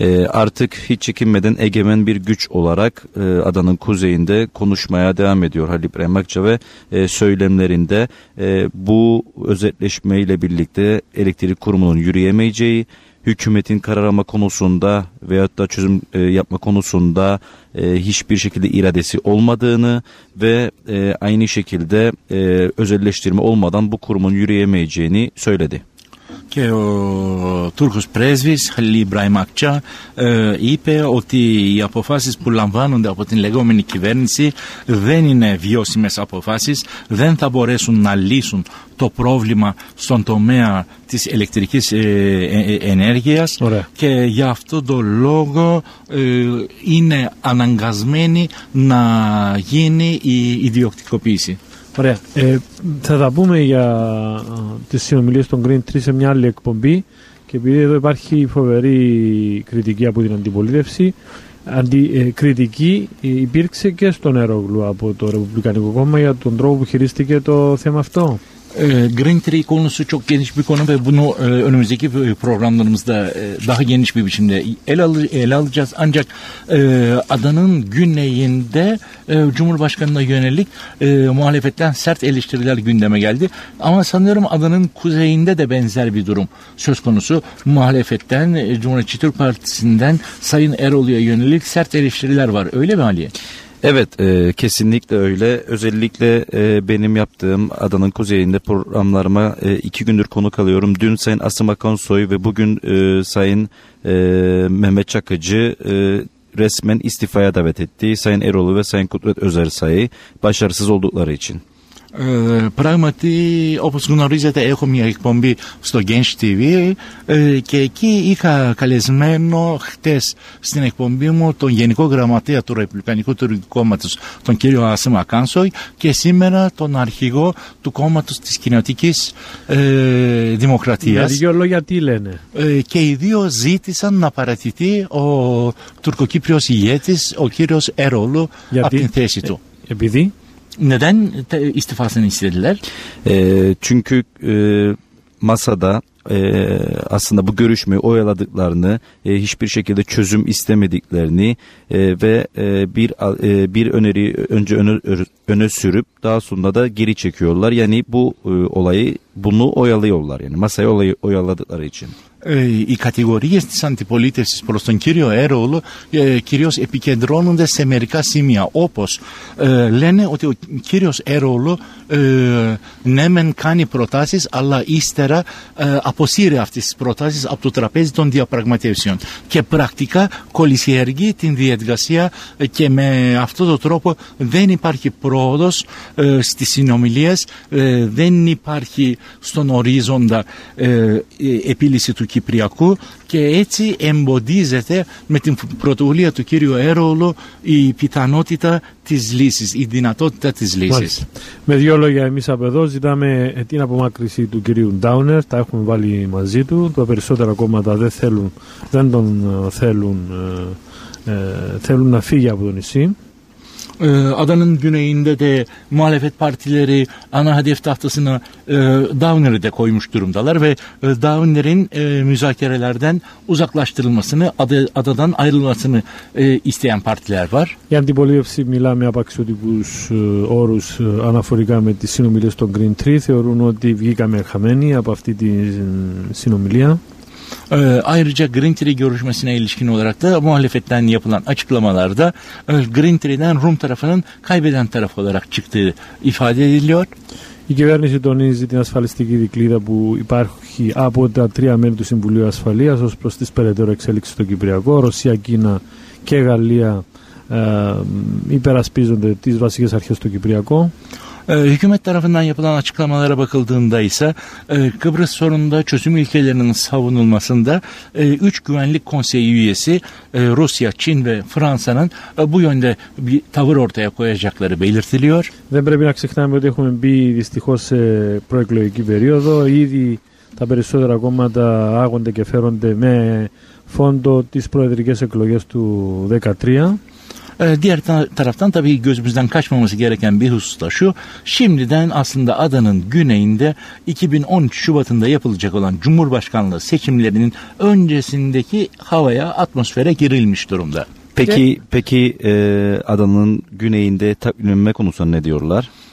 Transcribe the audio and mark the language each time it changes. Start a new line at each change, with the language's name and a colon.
Turkish: Artık hiç çekinmeden egemen bir güç olarak adanın kuzeyinde konuşmaya devam ediyor Halil İbrahim Akça ve söylemlerinde bu özetleşmeyle birlikte elektrik kurumunun yürüyemeyeceği, hükümetin karar alma konusunda veyahut da çözüm yapma konusunda hiçbir şekilde iradesi olmadığını ve aynı şekilde özelleştirme olmadan bu kurumun yürüyemeyeceğini söyledi.
Greek: Και ο Τούρκος πρέσβης Χαλίλ Ιμπραήμ Ακτσά είπε ότι οι αποφάσεις που λαμβάνονται από την λεγόμενη κυβέρνηση δεν είναι βιώσιμες αποφάσεις, δεν θα μπορέσουν να λύσουν το πρόβλημα στον τομέα της ηλεκτρικής ενέργειας. Ωραία. Και γι' αυτό το λόγο είναι αναγκασμένη να γίνει η ιδιοκτικοποίηση. Ωραία. Θα τα πούμε για τις συνομιλίες των Green 3 σε μια άλλη εκπομπή, και επειδή εδώ υπάρχει φοβερή κριτική από την αντιπολίτευση, κριτική υπήρξε και στον Ερόγλου από το Ρεπουμπλικανικό Κόμμα για τον τρόπο που χειρίστηκε το θέμα αυτό.
Turkish: Green 3 konusu çok geniş bir konu ve bunu önümüzdeki programlarımızda daha geniş bir biçimde ele alacağız. Ancak adanın güneyinde Cumhurbaşkanı'na yönelik muhalefetten sert eleştiriler gündeme geldi. Ama sanıyorum adanın kuzeyinde de benzer bir durum söz konusu. Muhalefetten, Cumhuriyetçi Türk Partisi'nden Sayın Erol'a yönelik sert eleştiriler var. Öyle mi Ali? Evet, kesinlikle öyle. Özellikle benim yaptığım adanın kuzeyinde programlarıma iki gündür konuk alıyorum. Dün Sayın Asım Akonsoy ve bugün Sayın Mehmet Çakıcı resmen istifaya davet etti. Sayın Erol'u ve Sayın Kudret Özersay'ı başarısız oldukları için.
Greek: Πράγματι, όπως γνωρίζετε, έχω μια εκπομπή στο Genç TV και εκεί είχα καλεσμένο χτες στην εκπομπή μου τον Γενικό Γραμματέα του Ρεπουμπλικανικού Τουρκικού Κόμματος, τον κύριο Άσιμ Ακάνσοϊ, και σήμερα τον αρχηγό του κόμματος της Κοινοτικής Δημοκρατίας. Για δύο λόγια, τι λένε? Και οι δύο ζήτησαν να παρατηθεί ο τουρκοκύπριος ηγέτης, ο κύριος Ερόλου, από την θέση του. Επειδή?
Turkish: Neden istifasını istediler? Çünkü masada aslında bu görüşmeyi oyaladıklarını, hiçbir şekilde çözüm istemediklerini ve bir öneriyi önce öne sürüp daha sonra da geri çekiyorlar. Yani bu olayı, bunu oyalıyorlar. Yani masayı olayı oyaladıkları için.
Greek: Οι κατηγορίες της αντιπολίτευσης προς τον κύριο Έρολ κυρίως επικεντρώνονται σε μερικά σημεία, όπως λένε ότι ο κύριος Έρολ ναι μεν κάνει προτάσεις, αλλά ύστερα αποσύρει αυτές τις προτάσεις από το τραπέζι των διαπραγματεύσεων και πρακτικά κολυσιεργεί την διαδικασία, και με αυτόν τον τρόπο δεν υπάρχει πρόοδος στις συνομιλίες, δεν υπάρχει στον ορίζοντα επίλυση του Κυπριακού και έτσι εμποδίζεται με την πρωτοβουλία του κύριου Έρωλο η πιθανότητα της λύσης, η δυνατότητα της λύσης. Μάλιστα. Με δύο λόγια, εμείς από εδώ ζητάμε την απομάκρυση του κυρίου Ντάουνερ, τα έχουμε βάλει μαζί του, τα περισσότερα κόμματα δεν τον θέλουν να φύγει από το νησί.
Turkish: Adanın güneyinde de muhalefet partileri ana hedef tahtasına Downer'ı da koymuş durumdalar ve Downer'in müzakerelerden uzaklaştırılmasını, adadan ayrılmasını isteyen partiler var.
Greek: Yani dipolojisi milame apaksiyotikus orus anaforika me tis sinomilias ton Green Tree θεωρούν ότι βγήκαμε χαμένοι από αυτή τη συνομιλία.
Turkish: Ayrıca Green Tree görüşmesine ilişkin olarak da muhalefetten yapılan açıklamalarda Green Tree'den Rum tarafının kaybeden taraf olarak çıktığı ifade ediliyor.
Greek: Η κυβέρνηση τονίζει την ασφαλιστική δικλίδα που υπάρχει από τα τρία μέλη του Συμβουλίου Ασφαλείας ως προς τις περαιτέρω εξέλιξεις στο Κυπριακό. Ρωσία, Κίνα και Γαλλία υπερασπίζονται τις βασικές αρχές στο Κυπριακό. Hükümet tarafından yapılan açıklamalara bakıldığında ise Kıbrıs sorununda çözüm ilkelerinin savunulmasında 3 güvenlik konseyi üyesi Rusya, Çin ve Fransa'nın bu yönde bir tavır ortaya koyacakları belirtiliyor. Δεν πρέπει να ξεχνάμε ότι έχουμε μπει δυστυχώς σε προεκλογική περίοδο. Ήδη τα περισσότερα κόμματα άγονται και φέρονται με φόντο τις προεδρικές εκλογές του 2013.
Turkish: Diğer taraftan tabii gözümüzden kaçmaması gereken bir husus da şu. Şimdiden aslında adanın güneyinde 2013 Şubat'ında yapılacak olan Cumhurbaşkanlığı seçimlerinin öncesindeki havaya, atmosfere girilmiş durumda. Peki adanın güneyinde takvimlenme konusunda ne diyorlar?